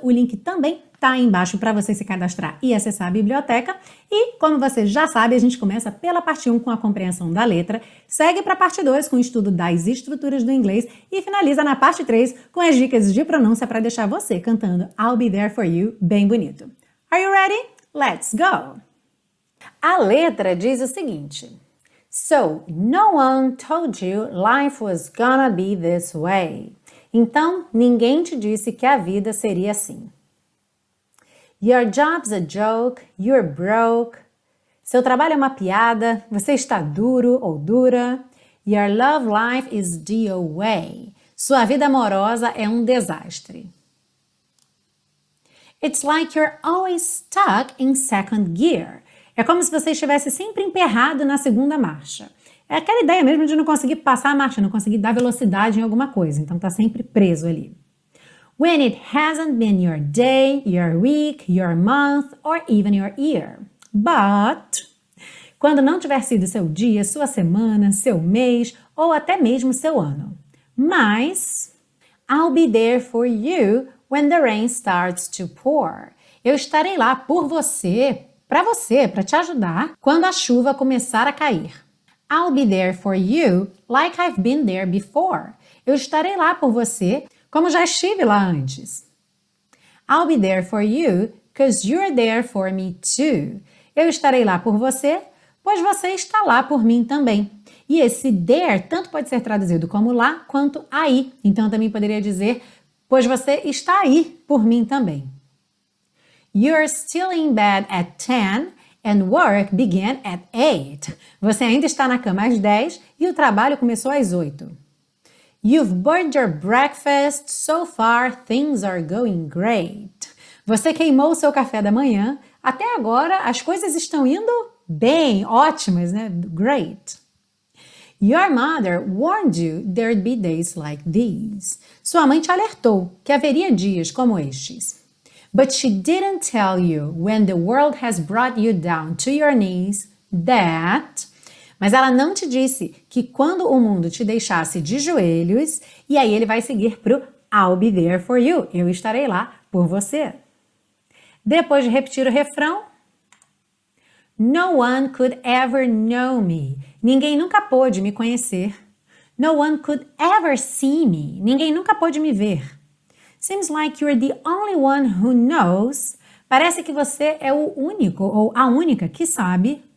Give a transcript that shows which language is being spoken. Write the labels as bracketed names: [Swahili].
[Portuguese] O link também está aí embaixo para você se cadastrar e acessar a biblioteca. E, como você já sabe, a gente começa pela parte 1 com a compreensão da letra, segue para a parte 2 com o estudo das estruturas do inglês e finaliza na parte 3 com as dicas de pronúncia para deixar você cantando I'll Be There For You bem bonito. [English] Are you ready? Let's go! [Portuguese] A letra diz o seguinte: [English] So, no one told you life was gonna be this way. [Portuguese] Então, ninguém te disse que a vida seria assim. [English] Your job's a joke, you're broke. [Portuguese] Seu trabalho é uma piada, você está duro ou dura. [English] Your love life is DOA. [Portuguese] Sua vida amorosa é um desastre. [English] It's like you're always stuck in second gear. [Portuguese] É como se você estivesse sempre emperrado na segunda marcha. É aquela ideia mesmo de não conseguir passar a marcha, não conseguir dar velocidade em alguma coisa. Então está sempre preso ali. [English] When it hasn't been your day, your week, your month, or even your year. [Portuguese] But, quando não tiver sido seu dia, sua semana, seu mês, ou até mesmo seu ano. Mas, [English] I'll be there for you when the rain starts to pour. [Portuguese] Eu estarei lá por você, para você, para te ajudar, quando a chuva começar a cair. [English] I'll be there for you like I've been there before. [Portuguese] Eu estarei lá por você, como já estive lá antes. [English] I'll be there for you, because you're there for me too. [Portuguese] Eu estarei lá por você, pois você está lá por mim também. E esse there tanto pode ser traduzido como lá, quanto aí. Então, eu também poderia dizer, pois você está aí por mim também. [English] You're still in bed at 10 and work began at 8. [Portuguese] Você ainda está na cama às 10 e o trabalho começou às 8. [English] You've burned your breakfast, so far things are going great. [Portuguese] Você queimou seu café da manhã, até agora as coisas estão indo bem, ótimas, né? [English] Great. Your mother warned you there'd be days like these. [Portuguese] Sua mãe te alertou que haveria dias como estes. [English] But she didn't tell you when the world has brought you down to your knees that... [Portuguese] Mas ela não te disse que quando o mundo te deixasse de joelhos, e aí ele vai seguir para o [English] I'll be there for you. [Portuguese] Eu estarei lá por você. Depois de repetir o refrão. [English] No one could ever know me. [Portuguese] Ninguém nunca pôde me conhecer. [English] No one could ever see me. [Portuguese] Ninguém nunca pôde me ver. [English] Seems like you're the only one who knows. [Portuguese] Parece que você é o único ou a única que sabe.